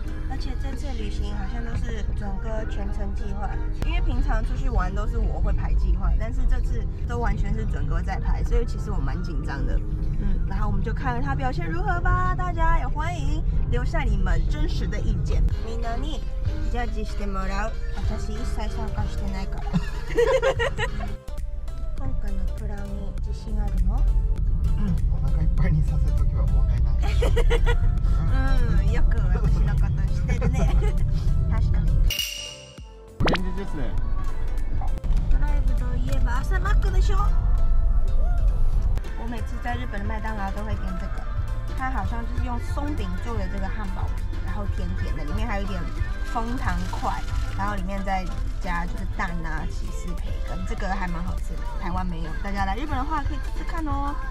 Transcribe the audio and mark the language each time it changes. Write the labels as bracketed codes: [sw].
[zh] 而且这次旅行好像都是准哥全程计划，因为平常出去玩都是我会排计划，但是这次都完全是准哥在排，所以其实我蛮紧张的。嗯，然后我们就看看他表现如何吧。大家也欢迎留下你们真实的意见。 [ja] みんなにジャッジしてもらう。私一切参加してないから。今回のプランに自信あるの？うん、お腹いっぱいにさせとけば問題ない。よく私のことしてるね。確かに。現実ですね。ドライブといえば朝マックでしょ。 [zh] 我每次在日本的麦当劳都会点这个，它好像就是用松饼做的这个汉堡皮，然后甜甜的，里面还有一点枫糖块，然后里面再加就是蛋啊、起司培根，这个还蛮好吃的。台湾没有，大家来日本的话可以试试看哦。